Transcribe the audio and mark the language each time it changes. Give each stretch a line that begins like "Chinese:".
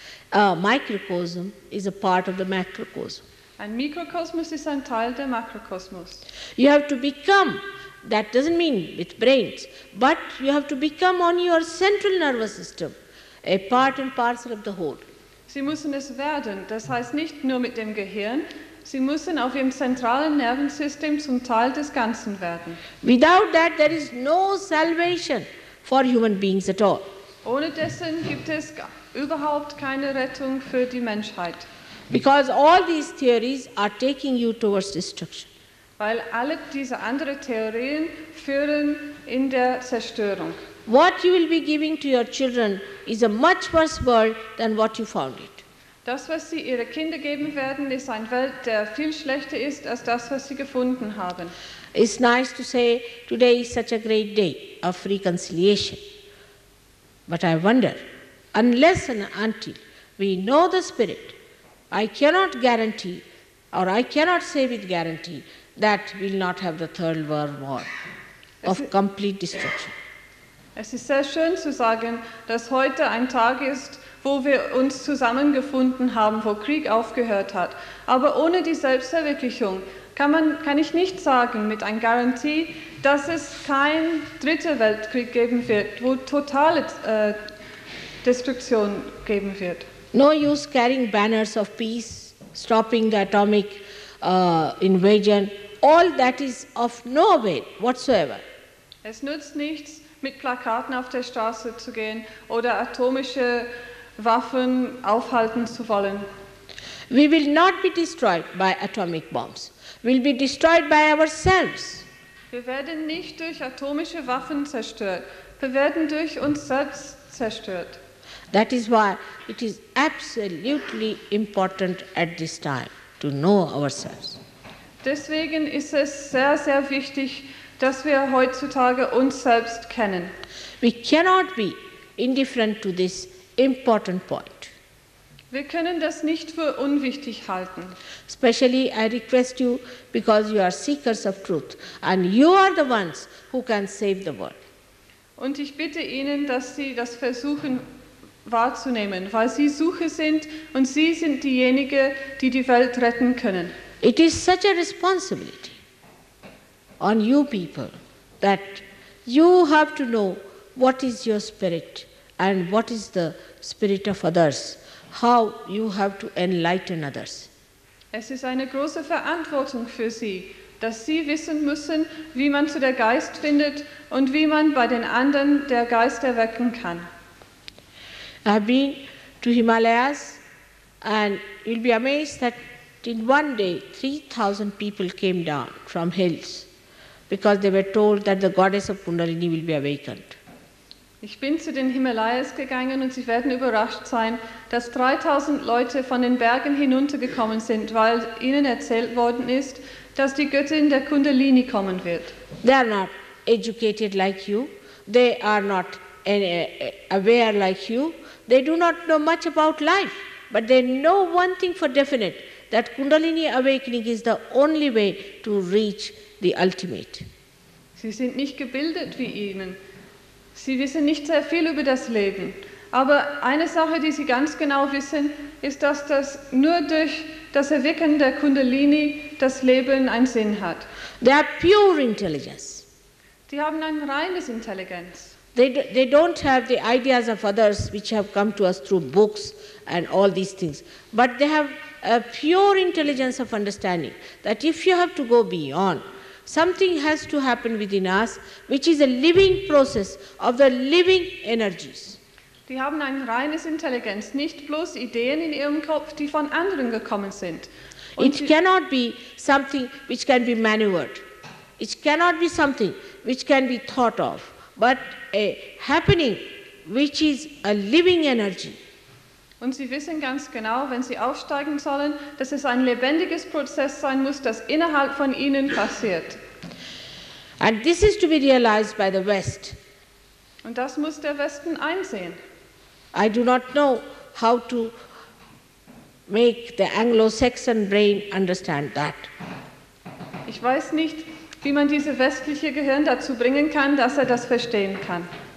English: A microcosm is a part of the macrocosm.
German: Ein Mikrokosmos ist ein Teil der Makrokosmos.
English: You have to become, that doesn't mean with brains, but you have to become on your central nervous system, a part and parcel of the whole.
German: Sie müssen es werden, das heißt nicht nur mit dem Gehirn, Sie müssen auf Ihrem zentralen Nervensystem zum Teil des Ganzen werden.
English: Without that there is no salvation for human beings at all.
German: Ohne dessen gibt es überhaupt keine Rettung für die Menschheit.
English: Because all these theories are taking you towards destruction.
German: Weil alle diese andere Theorien führen in der Zerstörung.
English: What you will be giving to your children is a much worse world than what you found it.
German: Das, was sie ihre Kinder geben werden, ist eine Welt, der viel schlechter ist als das, was sie gefunden haben.
English: It's nice to say today is such a great day of reconciliation. But I wonder, unless and until we know the spirit, I cannot guarantee, or I cannot say with guarantee, that we will not have the Third World War of complete destruction.
German: Es ist sehr schön zu sagen, dass heute ein Tag ist, wo wir uns zusammengefunden haben, wo Krieg aufgehört hat. Aber ohne die Selbstverwirklichung kann ich nicht sagen mit einer Garantie, dass es kein dritter Weltkrieg geben wird, wo totale Destruktion geben wird.
English: No use carrying banners of peace, stopping the atomic invasion. All that is of no avail whatsoever.
German: Es nützt nichts, mit Plakaten auf der Straße zu gehen oder atomische Waffen aufhalten zu wollen.
English: We will not be destroyed by atomic bombs. We'll be destroyed by ourselves.
German: Wir werden nicht durch atomische Waffen zerstört. Wir werden durch uns selbst zerstört.
English: That is why it is absolutely important at this time to know ourselves.
German: Deswegen ist es sehr, sehr wichtig, dass wir heutzutage uns selbst kennen.
English: We cannot be indifferent to this important point.
German: Wir können das nicht für unwichtig halten.
English: Especially I request you, because you are seekers of truth and you are the ones who can save the world.
German: Und ich bitte Ihnen, dass Sie das versuchen wahrzunehmen, weil Sie Suche sind und Sie sind diejenige, die die Welt retten können.
English: It is such a responsibility on you people that you have to know what is your spirit and what is the spirit of others, how you have to enlighten others.
German: Es ist eine große Verantwortung für Sie, dass Sie wissen müssen, wie man zu der Geist findet und wie man bei den anderen der Geist erwecken kann.
English: I've been to Himalayas and you'll be amazed that in one day 3,000 people came down from hills because they were told that the goddess of Kundalini will be awakened.
German: Ich bin zu den Himalayas gegangen und Sie werden überrascht sein, dass 3,000 Leute von den Bergen hinuntergekommen sind, weil ihnen erzählt worden ist, dass die Göttin der Kundalini kommen wird.
English: They are not educated like you. They are not aware like you. They do not know much about life, but they know one thing for definite, that Kundalini awakening is the only way to reach the ultimate.
German: Sie sind nicht gebildet wie ihnen. Sie wissen nicht sehr viel über das Leben, Aber eine Sache, die Sie ganz genau wissen, ist, dass das nur durch das Erwecken der Kundalini das Leben einen Sinn hat.
English: They are pure intelligence.
German: Die haben ein reines Intelligenz.
English: They don't have the ideas of others which have come to us through books and all these things. But they have a pure intelligence of understanding that if you have to go beyond, something has to happen within us which is a living process of the living energies.
German: Die haben ein reines Intelligenz, nicht bloß Ideen in ihrem Kopf, die von anderen gekommen sind.
English: Und it cannot be something which can be maneuvered. It cannot be something which can be thought of, but a happening which is a living energy.
German: Und Sie wissen ganz genau, wenn Sie aufsteigen sollen, dass es ein lebendiges Prozess sein muss, das innerhalb von Ihnen passiert.
English: And this is to be realized by the West.
German: Und das muss der Westen einsehen.
English: I do not know how to make the Anglo-Saxon brain understand that.
German: Ich weiß nicht, wie man diese westliche Gehirn dazu bringen kann, dass er das verstehen kann.